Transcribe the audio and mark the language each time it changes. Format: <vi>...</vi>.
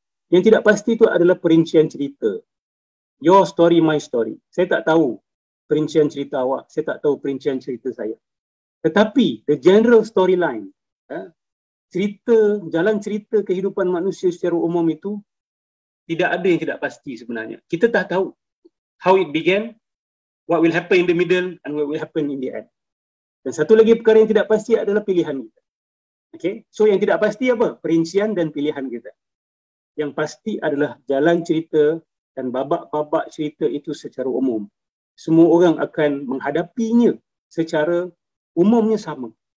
<ms>Yang tidak pasti itu adalah perincian cerita. Your story, my story. Saya tak tahu perincian cerita awak. Saya tak tahu perincian cerita saya. Tetapi the general storyline, cerita, jalan cerita kehidupan manusia secara umum itu tidak ada yang tidak pasti sebenarnya.</ms> <en>Kita tak tahu how it began, what will happen in the middle and what will happen in the end.</en> <ms>Dan satu lagi perkara yang tidak pasti adalah pilihan kita. Okay? So yang tidak pasti apa? Perincian dan pilihan kita. Yang pasti adalah jalan cerita dan babak-babak cerita itu secara umum. Semua orang akan menghadapinya secara umumnya sama.</ms>